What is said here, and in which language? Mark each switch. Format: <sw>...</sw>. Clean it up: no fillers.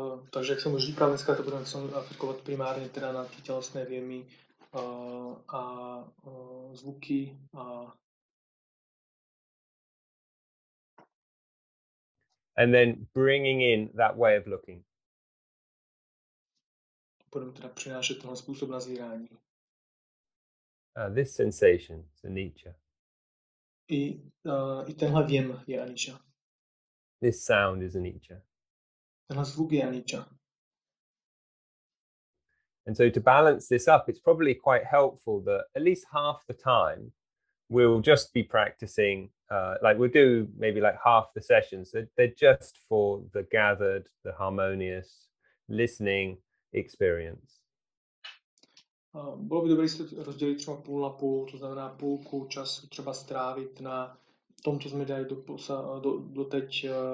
<cs>Takže jak jsem už říkal, dneska to budeme aplikovat primárně teda na ty tělesné vjemy a zvuky a...</cs> <en>And then bringing in that way of looking.</en> <cs>Budeme teda přinášet tenhle způsob nazírání.</cs> <en>This sensation is anicca.</en> <cs>I tenhle vjem je anicca.</cs> <en>This sound is anicca.</en> <cs>Tenhle zvuk je anicca.</cs> <en>And so to balance this up, it's probably quite helpful that at least half the time we'll just be practicing, like we'll do maybe like half the sessions. They're just for the gathered, the harmonious listening experience.</en> <cs>Bylo by dobré se rozdělit třeba půl na půl, to znamená půlku času třeba strávit na tom, co jsme dali doteď.</cs>